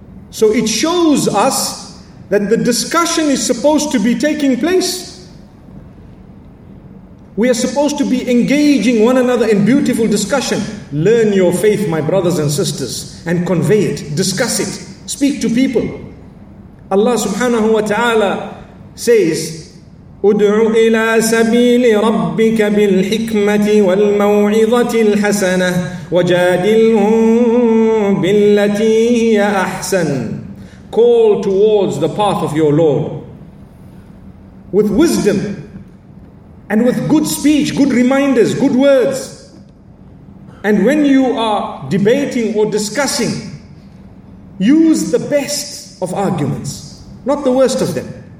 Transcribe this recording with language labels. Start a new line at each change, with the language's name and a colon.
English: So it shows us that the discussion is supposed to be taking place. We are supposed to be engaging one another in beautiful discussion. Learn your faith, my brothers and sisters, and convey it, discuss it, speak to people.
Arabic: Allah subhanahu wa ta'ala
English: says,
Arabic: ادعوا إلى سبيل ربك بالحكمة والموعظة الحسنة وجادلهم بالتي هي أحسن.
English: Call towards the path of your Lord with wisdom and with good speech, good reminders, good words. And when you are debating or discussing, use the best of arguments, not the worst of them.